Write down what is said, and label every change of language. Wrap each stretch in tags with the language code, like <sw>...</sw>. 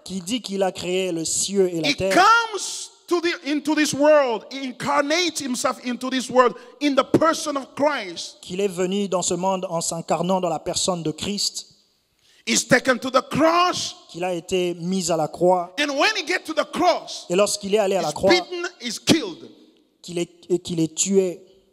<fr>qui dit qu'il a créé le ciel et la terre.</fr> <en>He comes into this world, he incarnates himself into this world in the person of Christ.</en> <fr>Qu'il est venu dans ce monde en s'incarnant dans la personne de Christ.</fr> <en>He's taken to the cross.</en> <fr>Qu'il a été mis à la croix.</fr> <en>And when he gets to the cross,</en> <fr>et lorsqu'il est allé à la croix,</fr> <en>he's beaten, he's killed.</en> <fr>Qu'il est tué.</fr>